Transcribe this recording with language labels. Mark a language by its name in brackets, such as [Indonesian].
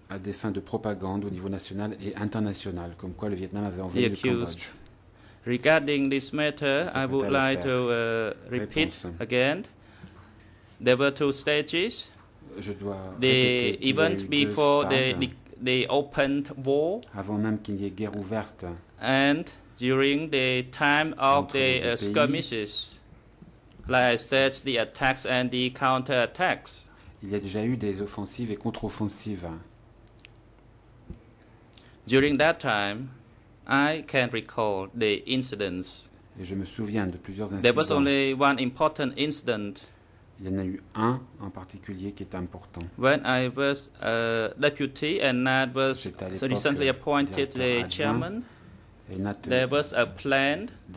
[French] À des fins de propagande au niveau national et international, comme quoi le Vietnam avait envahi le Cambodge. [English] Regarding this matter, I would like to repeat again. There were two stages. [French] Je dois [English] the event before the opened war, [French] avant même qu'il y ait guerre ouverte, [English] and during the time of the skirmishes, like I said, the attacks and the counter-attacks. [French] Il y a déjà eu des offensives et contre-offensives. [English] During that time, I can recall the incidents. [French] Et je me souviens de plusieurs incidents. [English] There was only one important incident. [French] Il y en a eu un en particulier qui est important. [English] When I was a deputy and Nat was recently appointed the chairman, there was a plan.